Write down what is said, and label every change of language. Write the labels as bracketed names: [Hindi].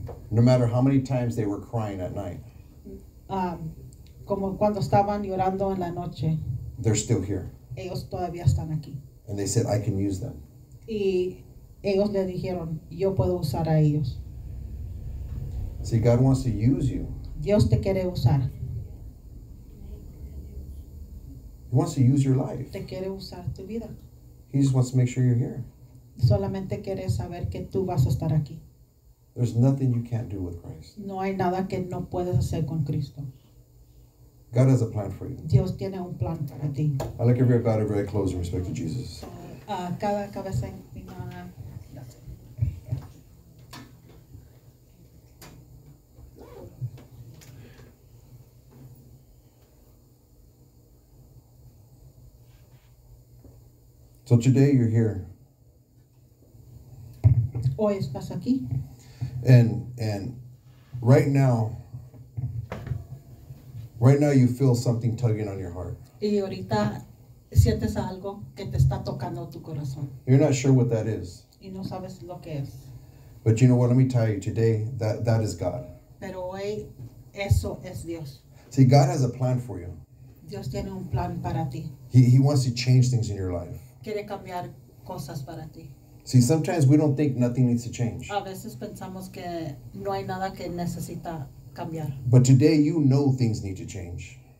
[English] No matter how many times they were crying at night. [Spanish] Como cuando estaban llorando en la noche. [English] They're still here. [Spanish] Ellos todavía están aquí. [English] And they said, I can use them. [Spanish] Y ellos le dijeron, yo puedo usar a ellos. [English] See, God wants to use you. [Spanish] Dios te quiere usar. [English] He wants to use your life. [Spanish] Te quiere usar tu vida. [English] He just wants to make sure you're here. [Spanish] Solamente quiere saber que tú vas a estar aquí. [English] There's nothing you can't do with Christ. [Spanish] No hay nada que no puedes hacer con Cristo. [English] God has a plan for you. [Spanish] Dios tiene un plan para ti. [English] I like everybody very close in respect to Jesus. [Spanish] Cada cabeza inclinada. [English] So today you're here. [Spanish] Hoy estás aquí. [English] And right now you feel something tugging on your heart. [Spanish] Y ahorita sientes algo que te está tocando tu corazón. [English] You're not sure what that is. [Spanish] Y no sabes lo que es. [English] But you know what? Let me tell you today, that is God. [Spanish] Pero hoy eso es Dios. [English] See, God has a plan for you. [Spanish] Dios tiene un plan para ti. [English] He wants to change things in your life. [Spanish] Quiere cambiar cosas para ti. [English] See, sometimes we don't think nothing needs to change. [Spanish] A veces pensamos que no hay nada que necesita cambiar. [English] But today you know things need to change.